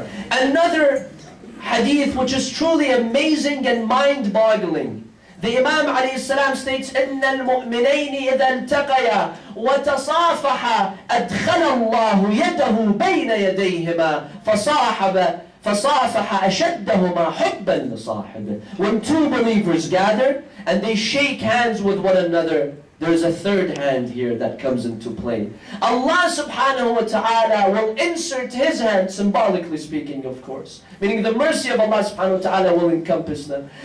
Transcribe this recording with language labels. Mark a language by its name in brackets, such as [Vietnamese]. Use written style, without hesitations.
[English] Another hadith which is truly amazing and mind-boggling. The Imam alayhi salam states, [Arabic] إِنَّ الْمُؤْمِنَيْنِ إِذَا انْتَقَيَا وَتَصَافَحَا أَدْخَلَ اللَّهُ يَدَهُ بَيْنَ يَدَيْهِمَا فَصَافَحَ أَشَدَّهُمَا حُبًّا لِصَاحِبِهِ. [English] When two believers gather and they shake hands with one another, there is a third hand here that comes into play. Allah subhanahu wa ta'ala will insert His hand, symbolically speaking of course, meaning the mercy of Allah subhanahu wa ta'ala will encompass them.